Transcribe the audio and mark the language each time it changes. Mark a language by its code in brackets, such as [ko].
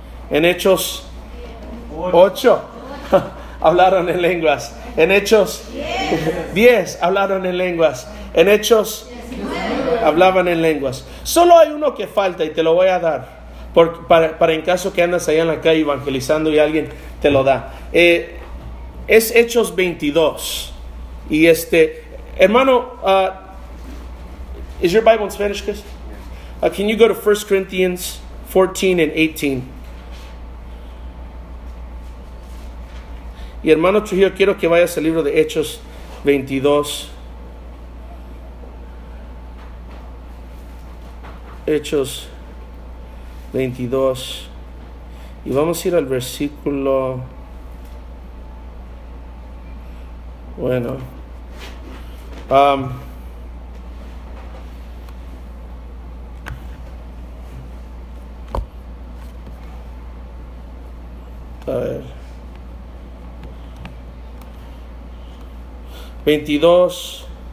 [es] En Hechos 8 hablaron en lenguas. En Hechos 10 hablaron en lenguas. En Hechos hablaban en lenguas. Solo hay uno que falta y te lo voy a dar para en caso que andas allá en la calle evangelizando y alguien te lo da. Es Hechos 22. Y hermano, [en] is your Bible in Spanish, Chris? Can you go to 1 Corinthians 14 and 18? [es] Y hermano Trujillo, quiero que vayas al libro de Hechos 22. Hechos 22, y vamos a ir al versículo, bueno, a ver, 22,